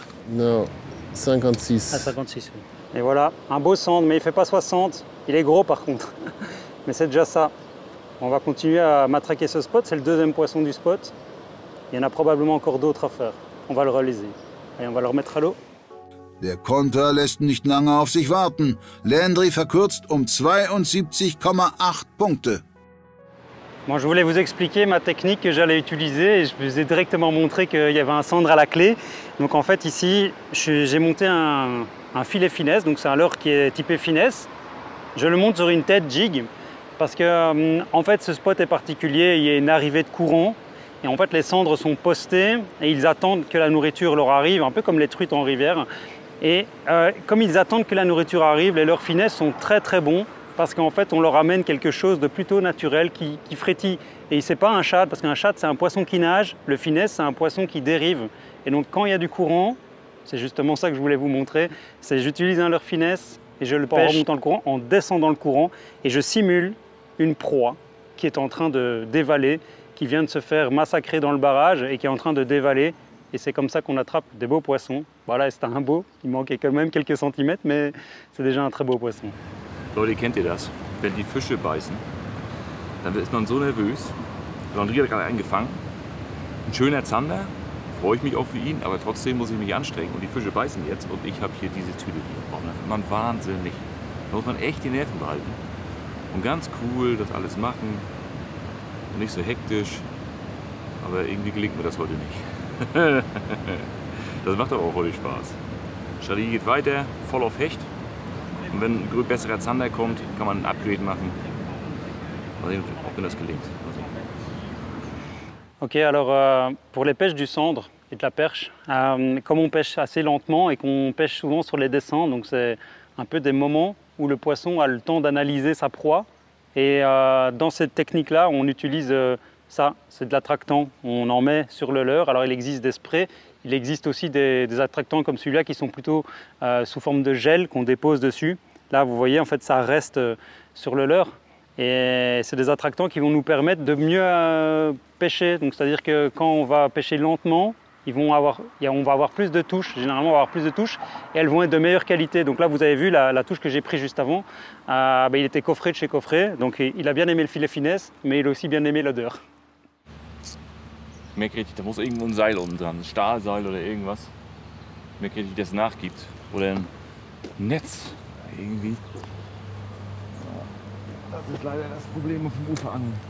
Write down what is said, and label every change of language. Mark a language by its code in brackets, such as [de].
[fr] No, 56. Ah, 56, oui. Et voilà, un beau cendre, mais il ne fait pas 60. Il est gros, par contre. Mais c'est déjà ça. On va continuer à matraquer ce spot. C'est le deuxième poisson du spot. Il y en a probablement encore d'autres à faire. On va le réaliser. Et on va le remettre à l'eau. [de] Der Konter lässt nicht lange auf sich warten. Lendry verkürzt um 72,8 Punkte. [fr] Bon, je voulais vous expliquer ma technique que j'allais utiliser et je vous ai directement montré qu'il y avait un cendre à la clé. Donc en fait ici, j'ai monté un filet finesse, donc c'est un leurre qui est typé finesse. Je le monte sur une tête jig parce que en fait ce spot est particulier, il y a une arrivée de courant et en fait les cendres sont postées et ils attendent que la nourriture leur arrive, un peu comme les truites en rivière. Et comme ils attendent que la nourriture arrive, les leurres finesse sont très très bons. Parce qu'en fait, on leur amène quelque chose de plutôt naturel qui frétille. Et ce n'est pas un chat, parce qu'un chat, c'est un poisson qui nage. Le finesse, c'est un poisson qui dérive. Et donc, quand il y a du courant, c'est justement ça que je voulais vous montrer, c'est que j'utilise un leurre finesse et je le pêche en remontant le courant, en descendant le courant. Et je simule une proie qui est en train de dévaler, qui vient de se faire massacrer dans le barrage et qui est en train de dévaler. Et c'est comme ça qu'on attrape des beaux poissons. Voilà, c'est un beau. Il manquait quand même quelques centimètres, mais c'est déjà un très beau poisson. [de] Leute, kennt ihr das? Wenn die Fische beißen, dann ist man so nervös. Landrier hat gerade einen gefangen. Ein schöner Zander, freue ich mich auch für ihn, aber trotzdem muss ich mich anstrengen. Und die Fische beißen jetzt und ich habe hier diese Tüte. Oh, da wird man wahnsinnig. Da muss man echt die Nerven behalten. Und ganz cool das alles machen. Und nicht so hektisch. Aber irgendwie gelingt mir das heute nicht. Das macht aber auch heute Spaß. Charlie geht weiter, voll auf Hecht. Und wenn ein besserer Zander kommt, kann man ein Upgrade machen. Mal sehen, ob mir das gelingt. [fr] Okay, alors pour les pêches du cendre et de la perche, comme on pêche assez lentement et qu'on pêche souvent sur les descents, donc c'est un peu des moments où le poisson a le temps d'analyser sa proie. Et dans cette technique-là, on utilise ça, c'est de l'attractant. On en met sur le leurre. Alors il existe des sprays. Il existe aussi des attractants comme celui-là qui sont plutôt sous forme de gel qu'on dépose dessus. Là, vous voyez, en fait, ça reste sur le leurre. Et c'est des attractants qui vont nous permettre de mieux pêcher. Donc, c'est-à-dire que quand on va pêcher lentement, on va avoir plus de touches. Généralement, on va avoir plus de touches et elles vont être de meilleure qualité. Donc là, vous avez vu la touche que j'ai prise juste avant. Il était coffré de chez coffré. Donc, il a bien aimé le filet finesse, mais il a aussi bien aimé l'odeur. [de] Ich merke richtig, da muss irgendwo ein Seil unten dran, ein Stahlseil oder irgendwas. Ich merke richtig, das nachgibt. Oder ein Netz. Irgendwie. Das ist leider das Problem auf dem Ufer an.